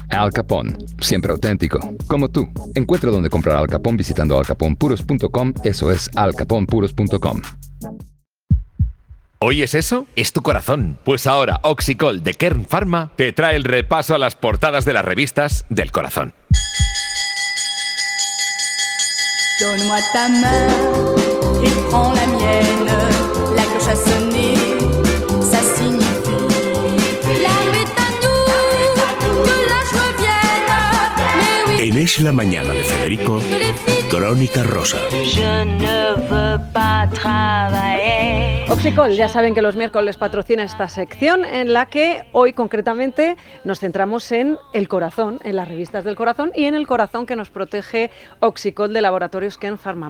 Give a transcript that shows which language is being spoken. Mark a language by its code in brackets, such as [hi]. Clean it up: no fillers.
[es] Al Capone, siempre auténtico, como tú. Encuentra donde comprar Al Capone visitando alcaponpuros.com. Eso es alcaponpuros.com. ¿Oyes eso? Es tu corazón. Pues ahora Oxicol de Kern Pharma te trae el repaso a las portadas de las revistas del corazón. [fr] Donne-moi ta main et prends la mienne. La cloche a sonné, ça signifie l'âme est à nous, que la joie vienne. [es] En Es la mañana de Federico, Crónica Rosa. [fr] Je ne veux pas travailler. [es] Oxicol, ya saben que los miércoles patrocina esta sección en la que hoy concretamente nos centramos en el corazón, en las revistas del corazón y en el corazón que nos protege Oxicol de Laboratorios Kern Pharma.